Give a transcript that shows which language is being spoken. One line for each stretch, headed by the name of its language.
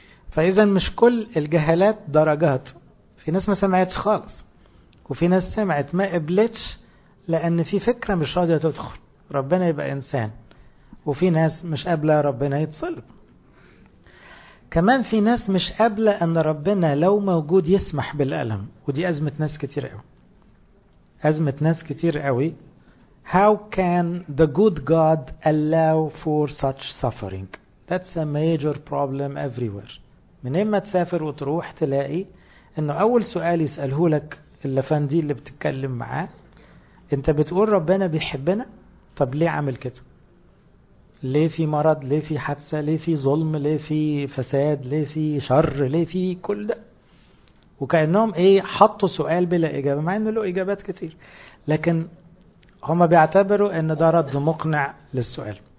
Arabic: فإذا مش كل الجهالات درجات، في ناس ما سمعتش خالص وفي ناس سمعت ما قبلتش لأن في فكرة مش راضية تدخل ربنا يبقى إنسان، وفي ناس مش قابلة ربنا يتصلب. كمان في ناس مش قابلة أن ربنا لو موجود يسمح بالألم، ودي أزمة ناس كتير قوي، أزمة ناس كتير قوي.
English: How can the good God allow for such suffering? That's a major problem everywhere.
Arabic: من إما تسافر وتروح تلاقي أنه أول سؤال يسأله لك الأفندي اللي بتتكلم معاه، أنت بتقول ربنا بيحبنا؟ طب ليه عمل كده؟ ليه في مرض؟ ليه في حادثة؟ ليه في ظلم؟ ليه في فساد؟ ليه في شر؟ ليه في كل ده؟ وكأنهم ايه حطوا سؤال بلا اجابة، مع انه له اجابات كتير، لكن هما بيعتبروا ان ده رد مقنع للسؤال.